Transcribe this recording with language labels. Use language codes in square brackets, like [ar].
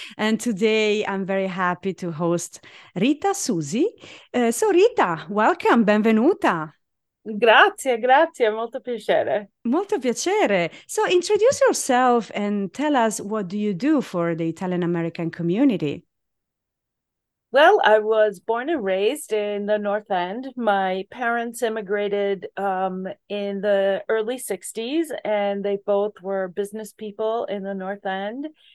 [en] And today I'm very happy to host Rita Susi. So Rita, welcome, [it] benvenuta. Grazie, grazie, molto piacere. Molto piacere. [en] So introduce yourself and tell us what do you do for the Italian American community? Well, I was born and raised in the North End. My parents immigrated in the early 60s, and they both were business people in the North End.